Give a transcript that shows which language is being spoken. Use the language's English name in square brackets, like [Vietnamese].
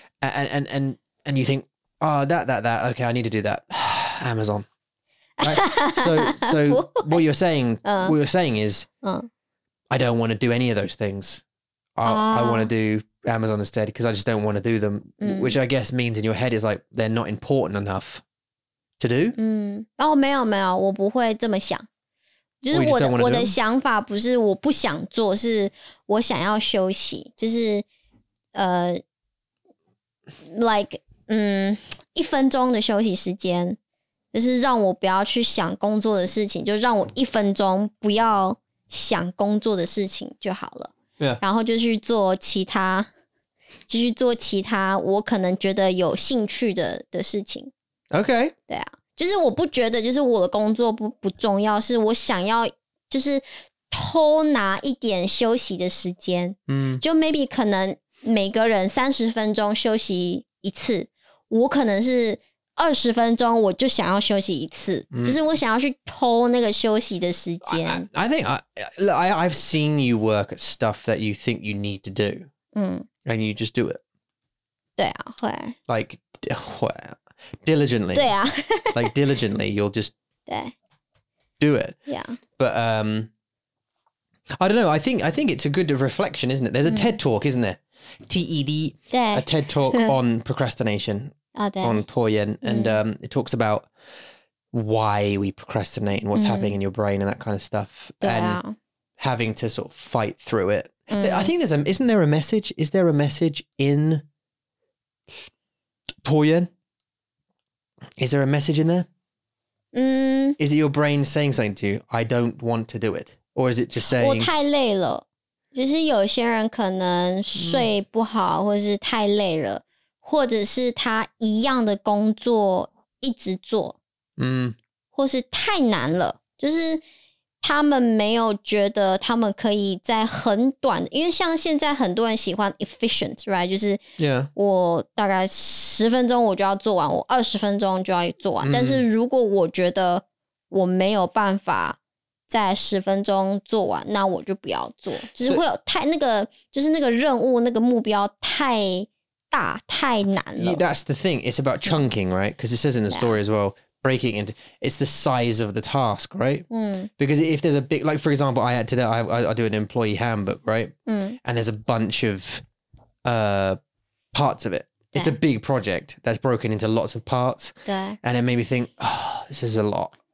[English] And you think, oh, that, okay, I need to do that. Amazon. Right? So what you're saying, I don't want to do any of those things. I want to do Amazon instead because I just don't want to do them, which I guess means in your head is like they're not important enough to do. [Chinese] 嗯，哦，没有没有，我不会这么想。就是我的想法不是我不想做，是我想要休息。就是like 一分钟的休息时间，就是让我不要去想工作的事情，就让我一分钟不要想工作的事情就好了。 [English] Yeah. [Chinese] 然后就去做其他，继续做其他我可能觉得有兴趣的事情。 [English] Okay. [Chinese] 对啊，就是我不觉得就是我的工作不重要，是我想要就是偷拿一点休息的时间。嗯，就 maybe 可能每个人30分钟休息一次，我可能是20分钟我就想要休息一次，就是我想要去偷那个休息的时间。 [English] I think I've seen you work at stuff that you think you need to do, and you just do it. [Chinese] 对啊，会。 [English] Like, diligently. [Chinese] 对啊。 [English] Like, diligently, you'll just [Chinese] 对 [English] do it. Yeah. But, I don't know, I think it's a good reflection, isn't it? There's a TED Talk, isn't there? TED. [Chinese] 对。 [English] A TED Talk on procrastination. Oh, on 拖延, and it talks about why we procrastinate and what's happening in your brain and that kind of stuff, and having to sort of fight through it. I think there's a message in 拖延?Is there a message in there? Is it your brain saying something to you? I don't want to do it. Or is it just saying [Chinese] 我太累了，就是有些人可能睡不好，或是太累了，或者是他一样的工作一直做，或是太难了，就是他们没有觉得他们可以在很短，因为像现在很多人喜欢 [English] efficient, right? [Chinese] 就是我大概十分钟我就要做完，我二十分钟就要做完，但是如果我觉得我没有办法在十分钟做完，那我就不要做，就是会有太那个，就是那个任务那个目标太大太难了。 [English] Yeah, that's the thing. It's about chunking, right? Because it says in the story as well, breaking into, it's the size of the task, right? Because if there's a big, like for example, I had today, I do an employee handbook, right? And there's a bunch of parts of it. It's a big project that's broken into lots of parts. And it made me think, oh, this is a lot.